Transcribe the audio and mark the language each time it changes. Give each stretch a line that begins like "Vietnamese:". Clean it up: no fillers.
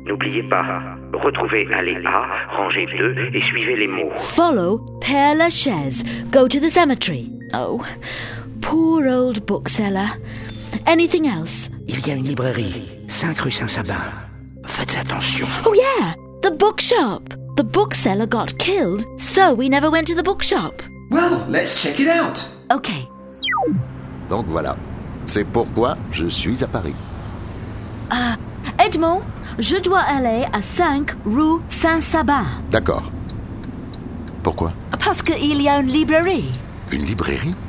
French: N'oubliez pas, retrouvez allée A, rangée 2 et suivez les mots.
English: Follow Père Lachaise. Go to the cemetery. Oh, poor old bookseller. Anything else?
French: Il y a une librairie, 5 rue St Sabin. Faites attention.
English: Oh yeah, the bookshop. The bookseller got killed, so we never went to the bookshop. Well, let's check it out. Okay.
French: Donc voilà, c'est pourquoi je suis à Paris. Edmond, je dois aller à 5 rue St Sabin. D'accord. Pourquoi? Parce qu'il y a une librairie. Une librairie?